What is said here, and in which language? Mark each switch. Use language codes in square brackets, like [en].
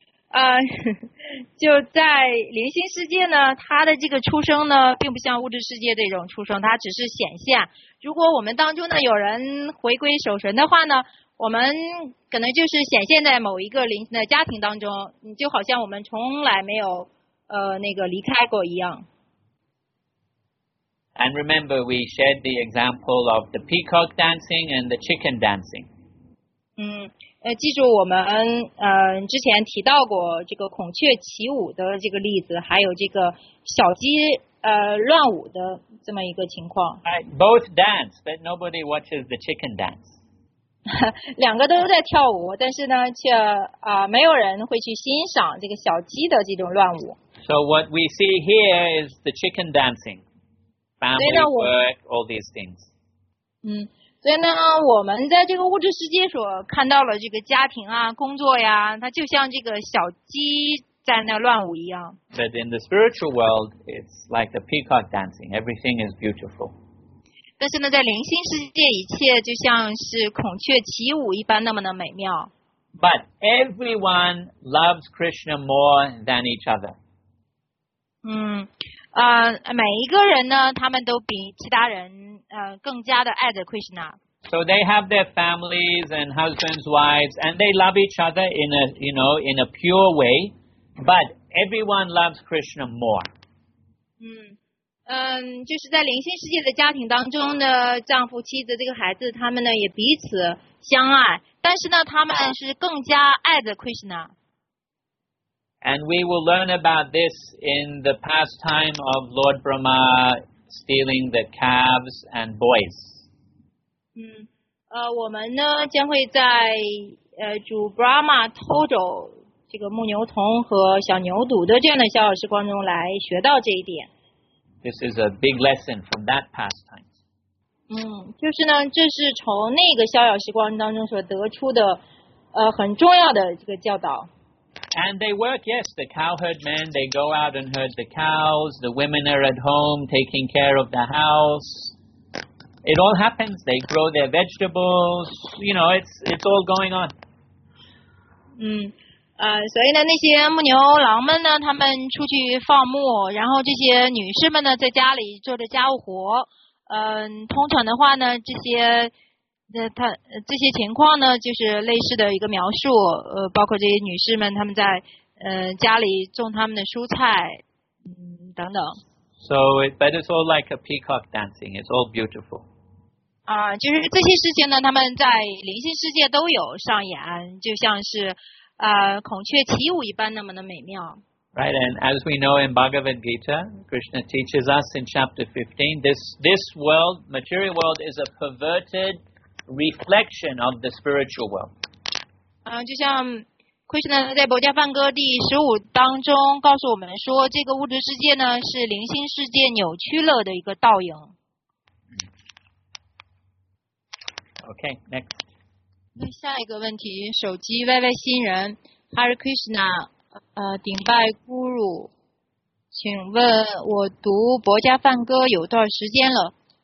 [zh] 就在灵性世界呢，他的这个出生呢，并不像物质世界这种出生，他只是显现。如果我们当中呢有人回归守神的话呢，我们可能就是显现在某一个灵性的家庭当中，你就好像我们从来没有那个离开过一样。 [en] And remember, we shared the example of the peacock dancing and the chicken dancing. [zh] 记住我们之前提到过这个孔雀起舞的这个例子，还有这个小鸡乱舞的这么一个情况。 [en] Right, both dance, but nobody watches the chicken dance. [zh] 两个都在跳舞，但是呢，却没有人会去欣赏这个小鸡的这种乱舞。 [en] So what we see here is the chicken dancing, family work, all these things. [zh] 所以呢，我们在这个物质世界所看到了这个家庭啊、工作呀，它就像这个小鸡在那乱舞一样。 [en] But in the spiritual world, it's like the peacock dancing. Everything is beautiful. [zh] 但是呢，在灵性世界，一切就像是孔雀起舞一般那么的美妙。 [en] But everyone loves Krishna more than each other. [zh] 每一个人呢，他们都比其他人更加的爱着 Krishna。 [en] So they have their families and husbands, wives, and they love each other in a, you know, in a pure way. But everyone loves Krishna more. [zh] 就是在灵性世界的家庭当中呢，丈夫、妻子、这个孩子，他们呢也彼此相爱，但是呢，他们是更加爱着 Krishna。 [en] And we will learn about this in the pastime of Lord Brahma stealing the calves and boys. [zh] 我们呢将会在主 Brahma 偷走这个牧牛童和小牛犊的这样的小小时光中来学到这一点。 [en] This is a big lesson from that pastime. [zh] 就是呢，这是从那个小小时光当中所得出的很重要的这个教导。 [en] And they work, yes, the cowherd men, they go out and herd the cows, the women are at home taking care of the house. It all happens, they grow their vegetables, you know, it's all going on. [zh] 所以呢，那些牧牛郎们呢，他们出去放牧，然后这些女士们呢，在家里做着家务活。通常的话呢，这些情况呢，就是类似的一个描述。包括这些女士们，她们在家里种他们的蔬菜，等等。 [en] So, but it's all like a peacock dancing. It's all beautiful. [zh] 就是这些事情呢，他们在灵性世界都有上演，就像是孔雀起舞一般那么的美妙。 [en] Right, and as we know in Bhagavad Gita, Krishna teaches us in chapter 15, this world, material world, is a pervertedreflection of the spiritual world. [zh] 就像 Krishna 在《薄伽梵歌》第十五当中告诉我们说，这个物质世界呢是灵性世界扭曲了的一个倒影。 [en] Okay, next. [zh] 那下一个问题，手机歪歪新人 Hare Krishna， 顶拜 Guru， 请问我读《薄伽梵歌》有段时间了。